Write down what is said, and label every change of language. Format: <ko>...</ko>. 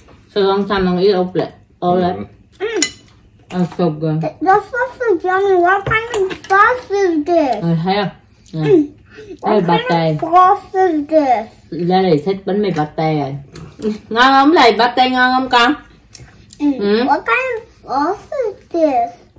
<en>So long time I'll eat omelet. Omelet. That's so good. That sauce is yummy. What kind of sauce is this? Oh, hey. Yeah. What kind of sauce is this?</en> <vi>Lê này thích bánh mì bát tê rồi. Ngon không Lê? Bát tê ngon không con?</vi> <en>What kind of sauce is this?</en>